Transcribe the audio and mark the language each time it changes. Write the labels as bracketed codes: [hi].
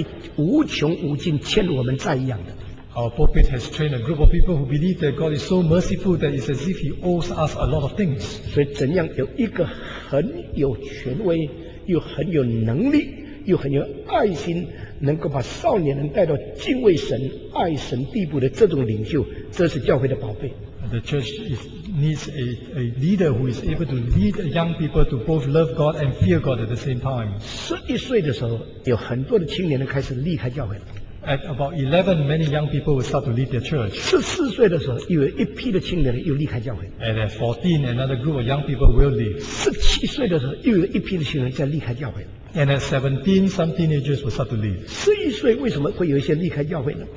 [zh] 因为我们的讲台已经制造了好像上帝是很慈爱的，耶稣是很喜乐，结果上帝无穷无尽欠我们债一样的。 [en] Our pulpit has trained a group of people who believe that God is so merciful that it's as if He owes us a lot of things. [zh] 所以怎样有一个很有权威，又很有能力，又很有爱心，能够把少年人带到敬畏神、爱神地步的这种领袖，这是教会的宝贝。 [en] The church needs a leader who is able to lead young people to both love God and fear God at the same time. [zh] 11岁的时候，有很多的青年人开始离开教会。 [en] At about 11, many young people will start to leave their church. [zh] 14岁的时候，又有一批的青年人又离开教会。 [en] And at 14, another group of young people will leave. [zh] 17岁的时候，又有一批的青年人在离开教会。 [en] And at 17, some teenagers will start to leave. [zh] 11岁为什么会有一些离开教会呢？